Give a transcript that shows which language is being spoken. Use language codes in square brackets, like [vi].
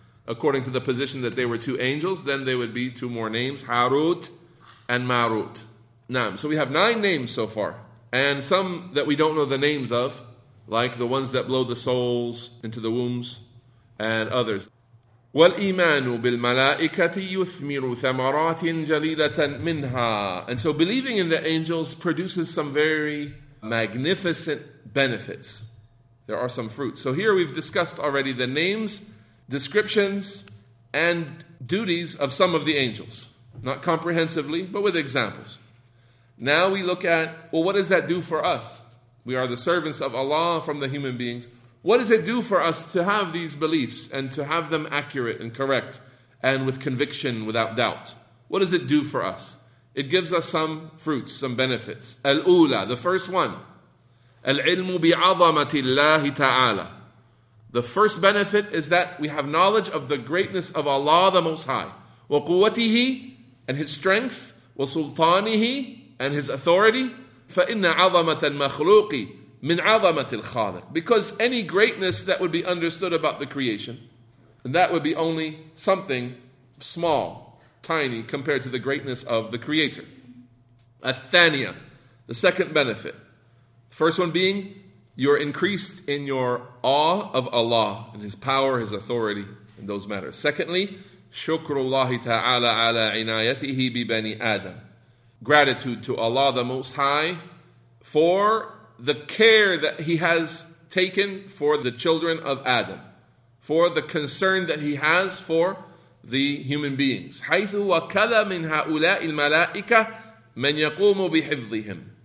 [en] According to the position that they were two angels, then they would be two more names, Harut and Marut. Naam. So we have 9 names so far, and some that we don't know the names of, like the ones that blow the souls into the wombs, and others. [ar] والإيمان بالملائكة يثمر ثمرات جليلة منها. [en] And so believing in the angels produces some very magnificent benefits. There are some fruits. So here we've discussed already the names, descriptions, and duties of some of the angels. Not comprehensively, but with examples. Now we look at, well, what does that do for us? We are the servants of Allah from the human beings. What does it do for us to have these beliefs and to have them accurate and correct and with conviction, without doubt? What does it do for us? It gives us some fruits, some benefits. [ar] Al-Ula, [en] the first one. [ar] Al-Ilmu bi'azamati Allahi Ta'ala. [en] The first benefit is that we have knowledge of the greatness of Allah the Most High. [ar] Wa quwwatihi, [en] and his strength, [ar] وَسُلْطَانِهِ [en] and his authority, [ar] فَإِنَّ عَظَمَةَ الْمَخْلُوقِ مِنْ عَظَمَةِ الْخَالِقِ. [en] Because any greatness that would be understood about the creation, that would be only something small, tiny, compared to the greatness of the Creator. [ar] الثانية, [en] the second benefit. First one being, you're increased in your awe of Allah and His power, His authority, and those matters. Secondly, [ar] شُكْرُ اللَّهِ تَعَالَى عَلَىٰ عِنَايَتِهِ بِبَنِي آدَمَ. [en] Gratitude to Allah the Most High for the care that He has taken for the children of Adam, for the concern that He has for the human beings. [ar] حَيْثُ وَكَلَ مِنْ هَؤُلَاءِ الْمَلَائِكَةِ مَنْ يَقُومُ بِحِفْظِهِمْ.